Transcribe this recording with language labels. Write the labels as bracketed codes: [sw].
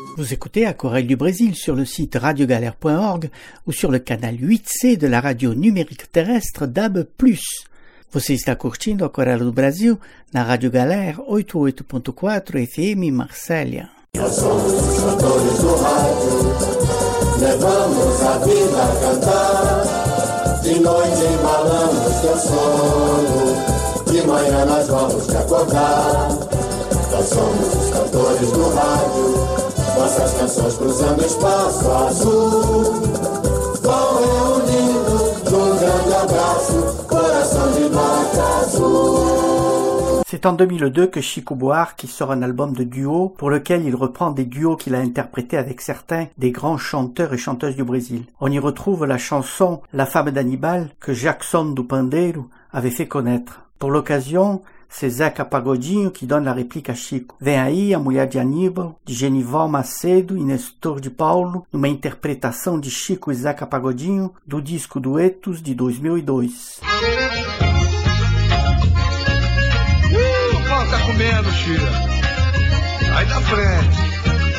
[fr] écouter à Corée du Brésil sur le site radiogalère.org ou sur le canal 8C de la radio numérique terrestre DAB+. [pt] Você está curtindo a Corée do Brasil na Rádio Galère 88.4 FM Marselha. Levamos a vida a cantar, de noite embalamos teu sono, de manhã nós vamos te acordar. Nós somos os cantores do rádio, nossas canções cruzando espaço azul, vão reunindo num grande abraço, coração de vaca azul. [fr] C'est en 2002 que Chico Buarque sort un album de duo pour lequel il reprend des duos qu'il a interprétés avec certains des grands chanteurs et chanteuses du Brésil. On y retrouve la chanson « La femme d'Hannibal » que Jackson do Pandeiro avait fait connaître. Pour l'occasion, c'est Zeca Pagodinho qui donne la réplique à Chico. [pt] « Vem aí a mulher de Hannibal, de Genival Macedo e Nestor de Paulo, numa interpretação de Chico e Zeca Pagodinho do disco Duetos de 2002. » Menos, tia. Aí da frente.